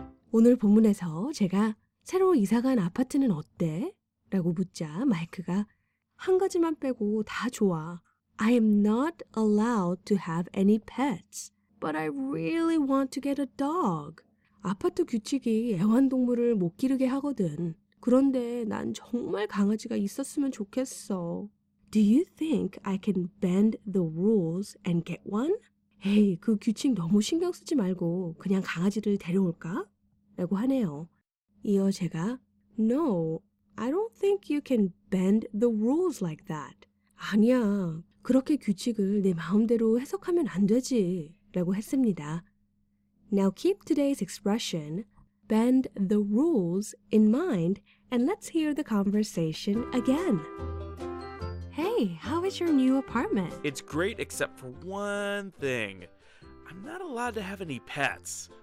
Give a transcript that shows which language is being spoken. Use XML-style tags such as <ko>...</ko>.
<ko>"오늘 본문에서 제가 새로 이사간 아파트는 어때? 라고 묻자 마이크가 한 가지만 빼고 다 좋아.</ko> <en>I am not allowed to have any pets, but I really want to get a dog.</en> <ko>아파트 규칙이 애완동물을 못 기르게 하거든. 그런데 난 정말 강아지가 있었으면 좋겠어.</ko> <en>Do you think I can bend the rules and get one?</en> <ko>에이, 그 규칙 너무 신경 쓰지 말고 그냥 강아지를 데려올까? 라고 하네요. 이어 제가</ko> <en>No, I don't think you can bend the rules like that.</en> <ko>아니야, 그렇게 규칙을 내 마음대로 해석하면 안 되지. 라고 했습니다.</ko> <en>Now keep today's expression, bend the rules, in mind, and let's hear the conversation again. Hey, how is your new apartment? It's great except for one thing. I'm not allowed to have any pets.</en>